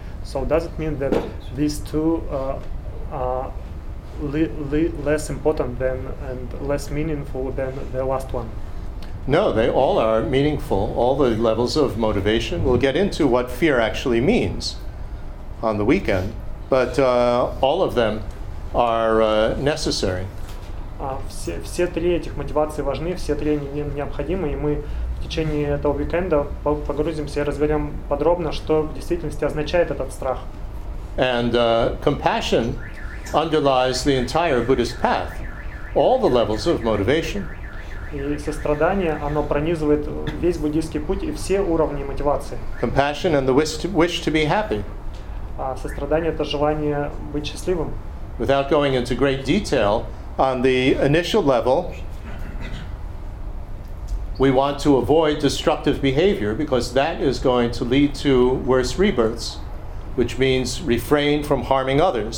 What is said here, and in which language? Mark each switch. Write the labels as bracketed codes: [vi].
[en] So does it mean that these two are less important than and less meaningful than the last one? No, they all are meaningful, all the levels of motivation. We'll get into what fear actually means on the weekend. But all of them are necessary. [ru] Все три этих мотивации важны, все три они необходимы, и мы в течение этого уикенда погрузимся и разберем подробно, что в действительности означает этот страх. [en] And compassion underlies the entire Buddhist path, all the levels of motivation. [ru] И сострадание, оно пронизывает весь буддийский путь и все уровни мотивации. [en] Compassion and the wish to be happy. [ru] А сострадание – это желание быть счастливым. [en] Without going into great detail, on the initial level, We want to avoid destructive behavior because that is going to lead to worse rebirths, which means refrain from harming others.